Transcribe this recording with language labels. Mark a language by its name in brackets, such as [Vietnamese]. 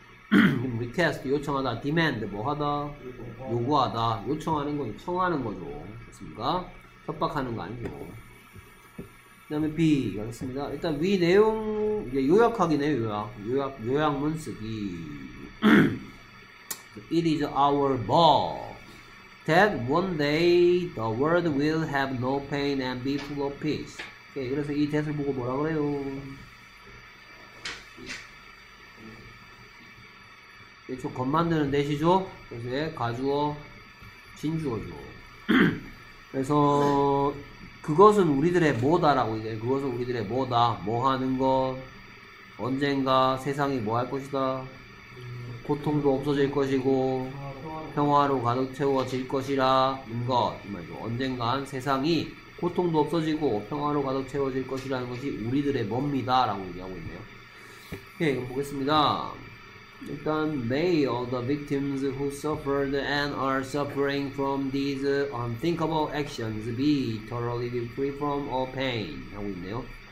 [Korean] Request, 요청하다. Demand, 뭐하다? 요구하다. 요청하는 거죠. 청하는 거죠. 그렇습니까? 협박하는 거 아니죠. 그 다음에 B, 알겠습니다. 일단 위 내용, 이제 요약하기네요, 요약. 요약, 요약문 쓰기. [English] It is our ball that one day the world will have no pain and be full of peace. [Korean] 오케이, 그래서 이 that을 보고 뭐라 그래요? 그렇죠, 겉 만드는 that이죠? 그래서 가주어, 진주어죠. 그래서, 그것은 우리들의 뭐다라고 이제 그것은 우리들의 뭐다 뭐 하는 것 언젠가 세상이 뭐 할 것이다 고통도 없어질 것이고 평화로 가득 채워질 것이라 인것 언젠간 세상이 고통도 없어지고 평화로 가득 채워질 것이라는 것이 우리들의 뭡니다 라고 얘기하고 있네요. 예, 그럼 보겠습니다. 일단 [English] May all the victims who suffered and are suffering from these unthinkable actions be totally free from all pain [Korean] 하고 있네요.